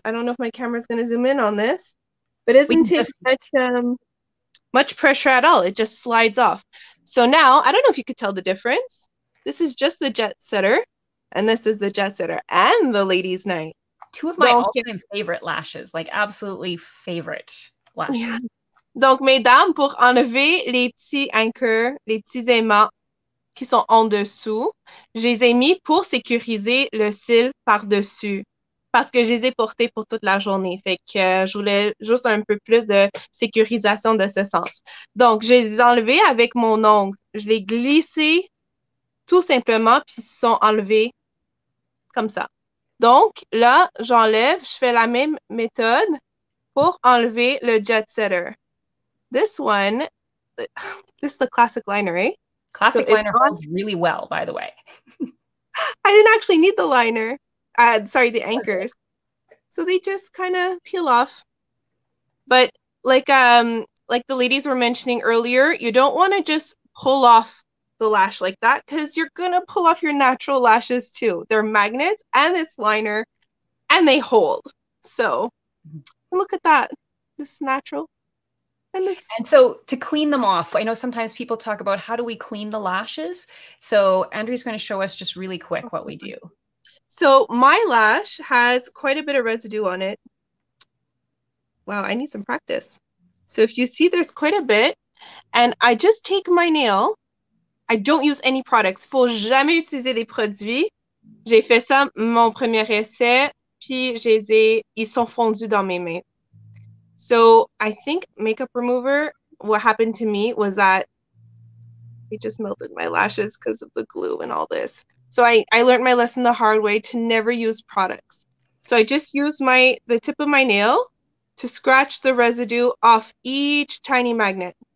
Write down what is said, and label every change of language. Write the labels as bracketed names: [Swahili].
[English] I don't know if my camera's going to zoom in on this, but it doesn't take much pressure at all. It just slides off. So now, I don't know if you could tell the difference. This is just the Jet Setter, and this is the Jet Setter and the Ladies Night. Two of my all-time favorite lashes, like absolutely favorite. Yeah. [French] Donc, mesdames, pour enlever les petits anchors, les petits aimants qui sont en dessous, je les ai mis pour sécuriser le cil par-dessus parce que je les ai portés pour toute la journée. Fait que je voulais juste un peu plus de sécurisation de ce sens. Donc, je les ai enlevés avec mon ongle. Je les ai glissés tout simplement puis ils se sont enlevés comme ça. Donc, là, j'enlève, je fais la même méthode pour enlever le Jet Setter. [English] This is the classic liner, eh? Classic so liner holds really well, by the way. I didn't actually need the liner. The anchors. So they just kind of peel off. But like the ladies were mentioning earlier, you don't want to just pull off the lash like that because you're going to pull off your natural lashes too. They're magnets and it's liner and they hold. So... Look at that. This is natural. And this. And so to clean them off, I know sometimes people talk about how do we clean the lashes. So Andrea's going to show us just really quick what we do. So my lash has quite a bit of residue on it. Wow, I need some practice. So if you see, there's quite a bit. And I just take my nail. I don't use any products. [French] Faut jamais utiliser des produits. J'ai fait ça mon premier essai. Puis je les ai, ils sont fondus dans mes mains. [English] So I think makeup remover, what happened to me was that it just melted my lashes because of the glue and all this. So I learned my lesson the hard way to never use products. So I just use the tip of my nail to scratch the residue off each tiny magnet.